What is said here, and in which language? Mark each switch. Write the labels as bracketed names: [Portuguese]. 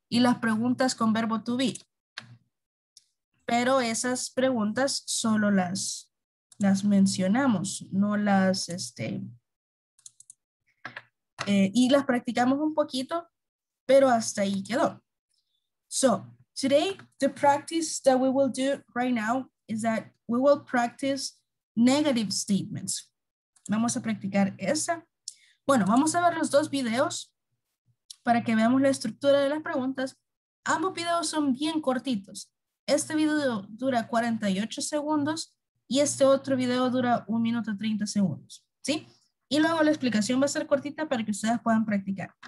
[Spanish] Y las preguntas con verbo to be. Pero esas preguntas solo las mencionamos, no las, y las practicamos un poquito, pero hasta ahí quedó. [English] So, today, the practice that we will do right now is that we will practice negative statements. [Spanish] Vamos a practicar esa. Bueno, vamos a ver los dos videos para que veamos la estructura de las preguntas. Ambos videos son bien cortitos. Este video dura 48 segundos y este otro video dura 1 minuto 30 segundos. ¿Sí? Y luego la explicación va a ser cortita para que ustedes puedan practicar.